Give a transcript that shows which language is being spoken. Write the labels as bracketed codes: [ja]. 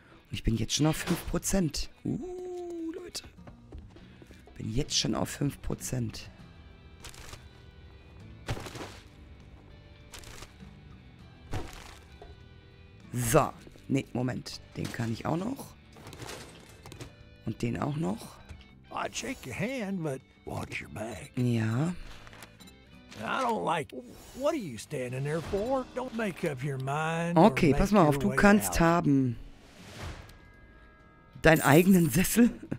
[de] Und ich bin jetzt schon auf 5%. Leute. Bin jetzt schon auf 5%. So, nee, Moment, den kann ich auch noch. Und den auch noch. [en] I'd shake your hand, but watch your back. [de] Ja. [en] I don't like. What are you standing there for? Don't make up your mind. [de] Okay, pass mal auf, du kannst haben deinen eigenen Sessel.